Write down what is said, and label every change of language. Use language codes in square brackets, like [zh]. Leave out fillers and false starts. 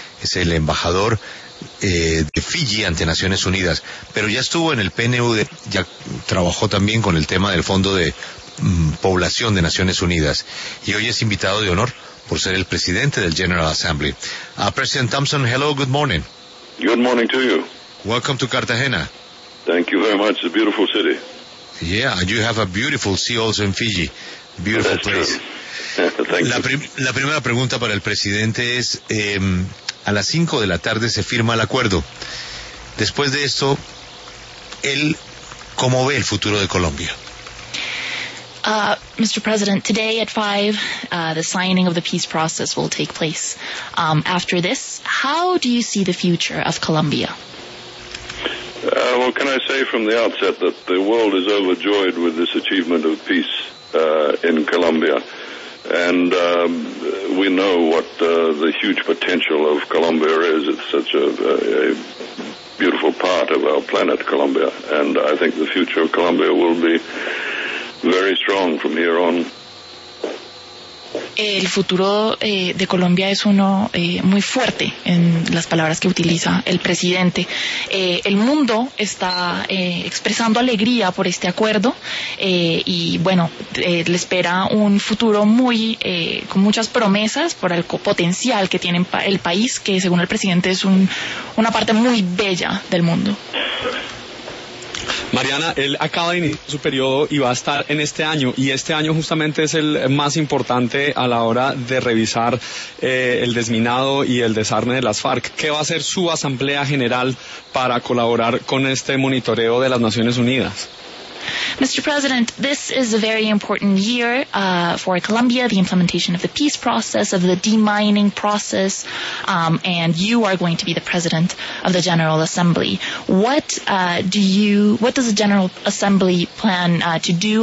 [es] Es el embajador de Fiji ante Naciones Unidas, pero ya estuvo en el PNUD, ya trabajó también con el tema del Fondo de Población de Naciones Unidas, y hoy es invitado de honor por ser el presidente del General Assembly. [en] President Thompson, hello, good morning. Good morning to you. Welcome to Cartagena. Thank you very much, it's a beautiful city. Yeah, you have a beautiful sea also in Fiji. Beautiful place. Thank you. [es] La primera pregunta para el presidente es, a las 5 de la tarde se firma el acuerdo. Después de esto, él, ¿cómo ve el futuro de Colombia? [en] Mr. President, today at 5, the signing of the peace process will take place. After this, how do you see the future of Colombia? Well, can I say from the outset that the world is overjoyed with this achievement of peace in Colombia? And we know what the huge potential of Colombia is. It's such a beautiful part of our planet, Colombia. And I think the future of Colombia will be very strong from here on. [es] El futuro de Colombia es uno muy fuerte, en las palabras que utiliza el presidente. El mundo está expresando alegría por este acuerdo y, bueno, le espera un futuro muy con muchas promesas por el potencial que tiene el país, que según el presidente es una parte muy bella del mundo. Mariana, él acaba de iniciar su periodo y va a estar en este año, y este año justamente es el más importante a la hora de revisar el desminado y el desarme de las FARC. ¿Qué va a hacer su Asamblea General para colaborar con este monitoreo de las Naciones Unidas? [en] Mr. President, this is a very important year for Colombia, the implementation of the peace process, of the demining process, and you are going to be the president of the General Assembly. What does the General Assembly plan to do?